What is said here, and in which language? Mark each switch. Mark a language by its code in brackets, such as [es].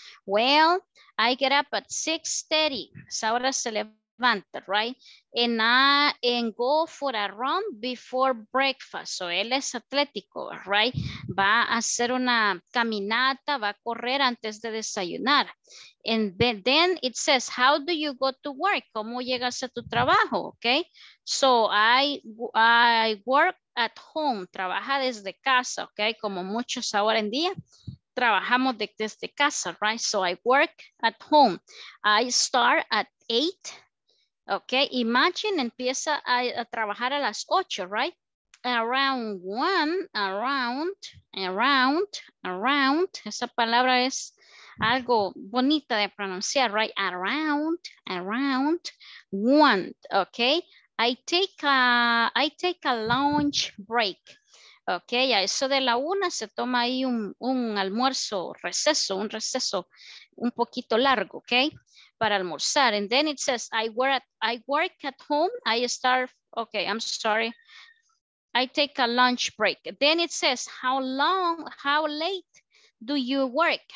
[en] Well, I get up at 6:30. [es] Esa hora se levanta, [en] right? And go for a run before breakfast. So [es] él es atlético, [en] right? [es] Va a hacer una caminata, va a correr antes de desayunar. [en] And then it says, how do you go to work? [es] ¿Cómo llegas a tu trabajo? [en] Okay. So I work at home. [es] Trabaja desde casa, okay? Como muchos ahora en día trabajamos desde casa, right? [en] So I work at home. I start at 8. [es] Okay, imagine empieza a trabajar a las 8, right? Around, esa palabra es algo bonita de pronunciar, right? [en] Around 1, okay? I take a lunch break. [es] Okay, a eso de la 1 se toma ahí un almuerzo, receso, un poquito largo, okay? para almorzar. [en] And then it says, I work at home. I start, okay, I'm sorry. I take a lunch break. Then it says, how late do you work?